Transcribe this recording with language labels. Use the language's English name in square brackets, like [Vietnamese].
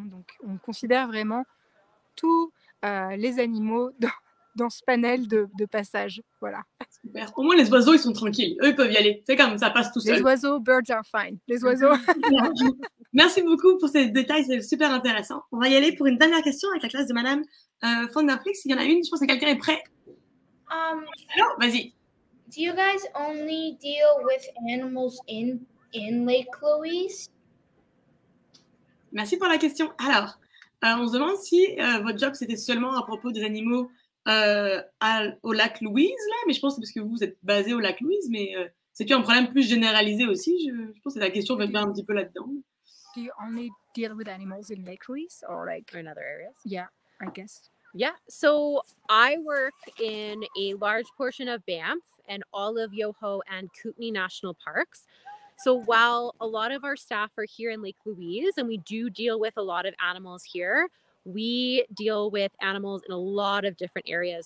[French] Donc, on considère vraiment tous les animaux dans ce panel de passages. Voilà. Super. Au moins, les oiseaux, ils sont tranquilles. Eux, ils peuvent y aller. C'est comme ça passe tout seul. Les oiseaux, [English] birds are fine. [French] Les oiseaux. Merci beaucoup pour ces détails, c'est super intéressant. On va y aller pour une dernière question avec la classe de Madame von der Flix. Il y en a une, je pense que quelqu'un est prêt. Alors, vas-y. [English] Do you guys only deal with animals in Lake Louise? [French] Merci pour la question. Alors, on se demande si votre job, c'était seulement à propos des animaux au lac Louise, là. Mais je pense que c'est parce que vous êtes basé au lac Louise, mais c'est-tu un problème plus généralisé aussi? Je pense que la question va venir un petit peu là-dedans. [English] Do you only deal with animals in Lake Louise or like in other areas? Yeah, I guess. Yeah, so I work in a large portion of Banff and all of Yoho and Kootenay National Parks. So while a lot of our staff are here in Lake Louise and we do deal with a lot of animals here, we deal with animals in a lot of different areas.